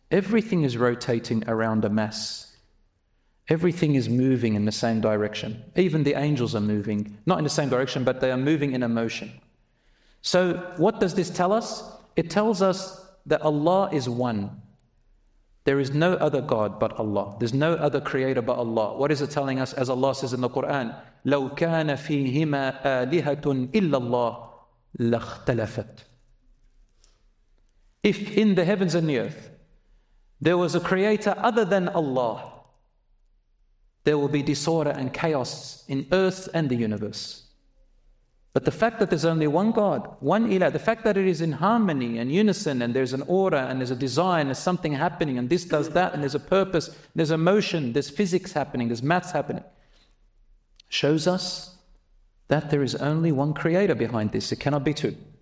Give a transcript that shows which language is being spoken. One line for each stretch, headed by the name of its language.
English: Everything is rotating around a mass. Everything is moving in the same direction. Even the angels are moving, not in the same direction, but they are moving in a motion. So what does this tell us? It tells us that Allah is one. There is no other God but Allah. There's no other creator but Allah. What is it telling us? As Allah says in the Quran,
Arabic: لَوْ كَانَ فِيهِمَا آلِهَةٌ إِلَّا اللَّهِ لَاخْتَلَفَتْ.
English: If in the heavens and the earth, there was a creator other than Allah, there will be disorder and chaos in earth and the universe. But the fact that there's only one God, one ilah, the fact that it is in harmony and unison and there's an order and there's a design, there's something happening and this does that and there's a purpose, there's a motion, there's physics happening, there's maths happening, shows us that there is only one creator behind this. It cannot be two.